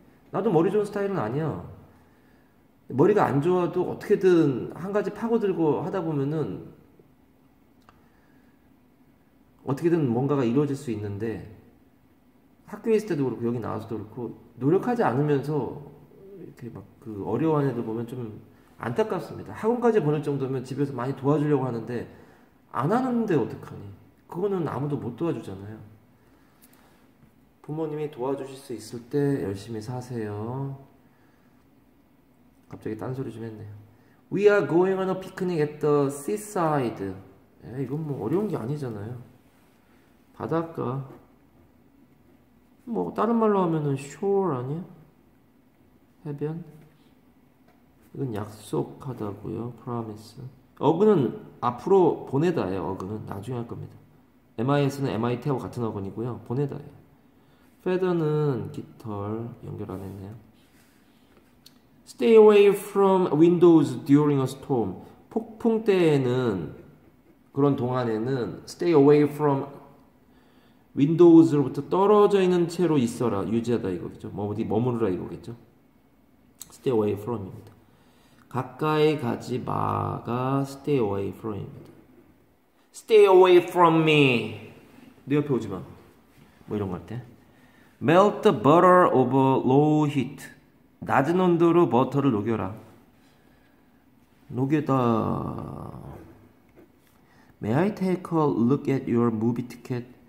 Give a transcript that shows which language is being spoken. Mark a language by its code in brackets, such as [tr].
[ko] 나도 머리 좋은 스타일은 아니야. 머리가 안 좋아도 어떻게든 한 가지 파고들고 하다 보면은 어떻게든 뭔가가 이루어질 수 있는데 학교에 있을 때도 그렇고 여기 나와서도 그렇고 노력하지 않으면서 이렇게 막그 어려운 애들 보면 좀 안타깝습니다. 학원까지 보낼 정도면 집에서 많이 도와주려고 하는데 안 하는데 어떡하니? 그거는 아무도 못 도와주잖아요. 부모님이 도와주실 수 있을 때 열심히 사세요. 갑자기 딴소리 좀 했네요. [en] We are going on a picnic at the seaside. [ko] 에이, 이건 뭐 어려운 게 아니잖아요. 바닷가. 뭐 다른 말로 하면은 shore 아니야? 해변? 이건 약속하다고요. Promise. 어그는 앞으로 보내다예요. 어그는 나중에 할 겁니다. MIS는 MIT하고 같은 어근이고요. 보내다예요. Feather는 깃털 연결 안 했네요. [en] Stay away from windows during a storm. [ko] 폭풍 때에는 그런 동안에는 [en] Stay away from windows [ko] 로부터 떨어져 있는 채로 있어라. 유지하다 이거겠죠. 뭐 어디 머무르라 이거겠죠. Stay away from입니다. 가까이 가지 마가 stay away from입니다. [en] Stay away from me. [ko] 내 옆에 오지 마. 뭐 이런 거할 때. [en] Melt the butter over low heat. [ko] 낮은 온도로 버터를 녹여라. 녹여다. [en] May I take a look at your movie ticket?